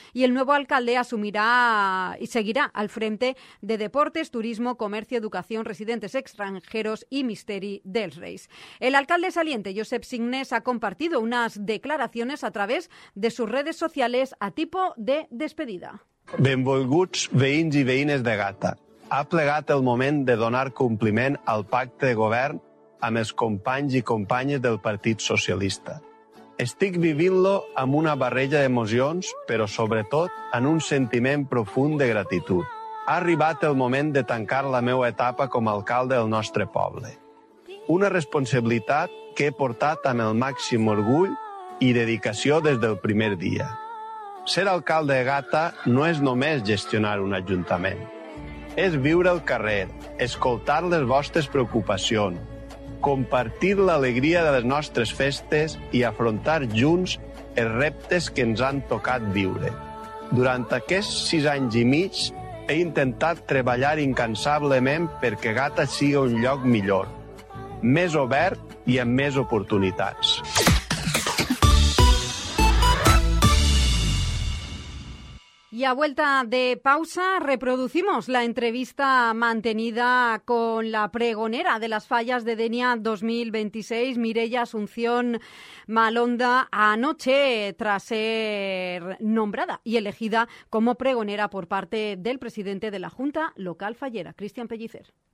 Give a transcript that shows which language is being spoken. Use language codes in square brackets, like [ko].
[es] Y el nuevo alcalde asumirá y seguirá al frente de Deportes, Turismo, Comercio, Educación, Residentes Extranjeros y Misteri del Reis. El alcalde saliente, Josep Signes, ha compartido unas declaraciones a través de sus redes sociales a tipo de despedida. [ca] Benvolguts veïns i veïnes de Gata. Ha plegat el moment de donar compliment al pacte de govern amb els companys i companyes del Partit Socialista. Estic vivint-lo amb una barreja d'emocions, però sobretot en un sentiment profund de gratitud. Ha arribat el moment de tancar la meva etapa com a alcalde del nostre poble. Una responsabilitat que he portat amb el màxim orgull i dedicació des del primer dia. Ser alcalde de Gata no és només gestionar un ajuntament. És viure al carrer, escoltar les vostres preocupacions, compartir l'alegria de les nostres festes i afrontar junts els reptes que ens han tocat viure. Durant aquests 6 anys i mig he intentat treballar incansablement perquè Gata sigui un lloc millor, més obert i amb més oportunitats. [es] Y a vuelta de pausa, reproducimos la entrevista mantenida con la pregonera de las fallas de Denia 2026, Mireia Asunción Malonda, anoche tras ser nombrada y elegida como pregonera por parte del presidente de la Junta Local Fallera, Cristian Pellicer.